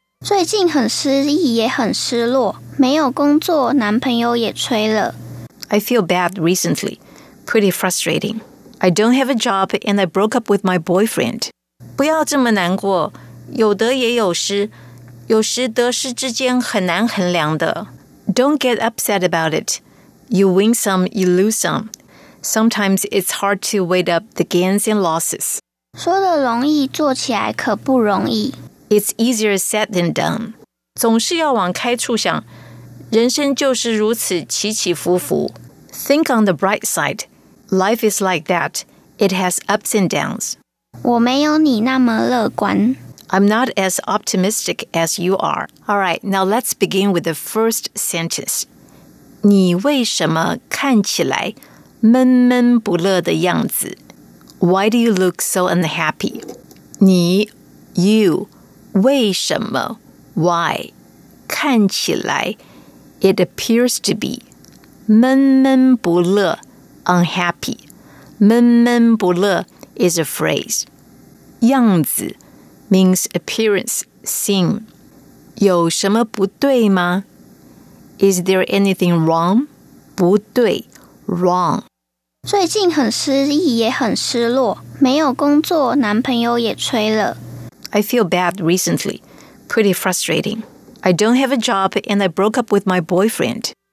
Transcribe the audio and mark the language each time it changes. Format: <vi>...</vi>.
<zh>最近很失意也很失落，没有工作，男朋友也吹了。</zh> <en>I feel bad recently. Pretty frustrating. I don't have a job and I broke up with my boyfriend.</en> <zh>不要这么难过，有得也有失，有时得失之间很难衡量的。</zh> <en>Don't get upset about it. You win some, you lose some. Sometimes it's hard to weigh up the gains and losses.</en> <zh>说得容易，做起来可不容易。</zh> <en>It's easier said than done.</en> <zh>总是要往开处想，人生就是如此起起伏伏。</zh> <en>Think on the bright side. Life is like that. It has ups and downs.</en> <zh>我没有你那么乐观。</zh> <en>I'm not as optimistic as you are. All right, now let's begin with the first sentence.</en> <zh>你为什么看起来闷闷不乐的样子？</zh> <en>Why do you look so unhappy?</en> <zh>你,</zh> <en>you,</en> <zh>为什么,</zh> <en>why?</en> <zh>看起来,</zh> <en>it appears to be.</en> <zh>闷闷不乐,</zh> <en>unhappy. 闷闷不乐 is a phrase.</en> <zh>样子</zh> <en>means appearance, seem.</en> <zh>有什么不对吗?</zh> <en>Is there anything wrong?</en> <zh>不对,</zh> <en>wrong.</en> <zh>最近很失意也很失落，没有工作，男朋友也吹了。</zh> <en>I feel bad recently. Pretty frustrating. I don't have a job and I broke up with my boyfriend.</en>